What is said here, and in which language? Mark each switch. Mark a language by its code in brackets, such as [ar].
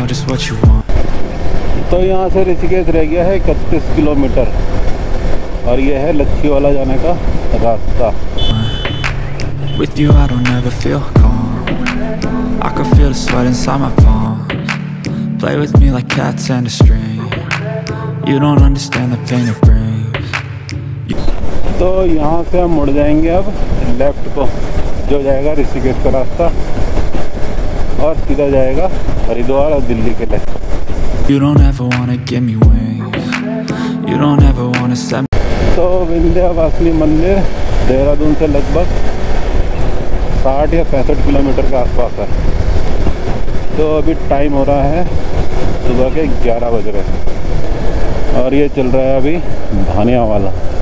[hi] तो यहाँ से ऋषिकेश रह गया है 31 किलोमीटर, और ये है लच्छीवाला जाने का रास्ता। [en] With you I don't ever feel calm, I can feel the sweat inside my palms, play with me like cats and a string, you don't understand the pain it brings. [hi] तो यहाँ से हम मुड़ जाएंगे अब लेफ्ट को, जो जाएगा ऋषिकेश का रास्ता, और सीधा जाएगा हरिद्वार और दिल्ली के लिए। [en] You don't ever wanna give me wings, you don't ever wanna send me. [hi] तो विंध्यवासिनी मंदिर देहरादून से लगभग 60 या 65 किलोमीटर के आसपास है। तो अभी टाइम हो रहा है सुबह के 11 बज रहे, और ये चल रहा है अभी भानिया वाला।